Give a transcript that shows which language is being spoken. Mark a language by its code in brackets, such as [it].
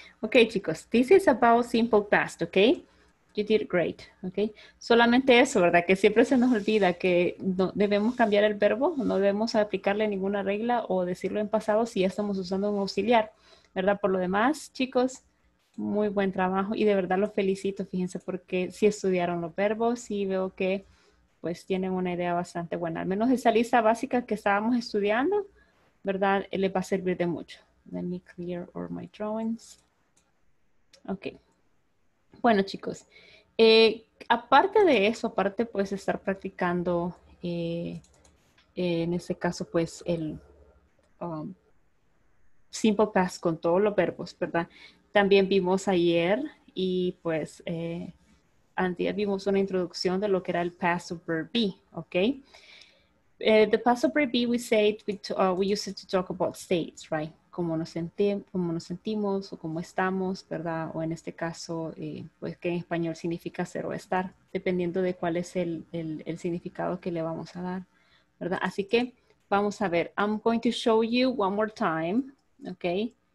[en] Okay, chicos, this is about simple past, okay? You did great, okay? [es] Solamente eso, ¿verdad? Que siempre se nos olvida que no debemos cambiar el verbo, no debemos aplicarle ninguna regla o decirlo en pasado si ya estamos usando un auxiliar, ¿verdad? Por lo demás, chicos, muy buen trabajo y de verdad los felicito, fíjense, porque sí estudiaron los verbos y veo que pues tienen una idea bastante buena. Al menos esa lista básica que estábamos estudiando, ¿verdad? Le va a servir de mucho. [en] Let me clear all my drawings. Okay. [es] Bueno, chicos, aparte de eso, aparte pues estar practicando, en este caso, pues el simple past con todos los verbos, ¿verdad? También vimos ayer y pues... antes vimos una introducción de lo que era el past of verb be, okay? [en] The past of verb be, we use it to talk about states, right? [es] Cómo nos sentimos o cómo estamos, ¿verdad? O en este caso, pues que en español significa ser o estar, dependiendo de cuál es el significado que le vamos a dar, ¿verdad? Así que vamos a ver, [en] I'm going to show you one more time, okay?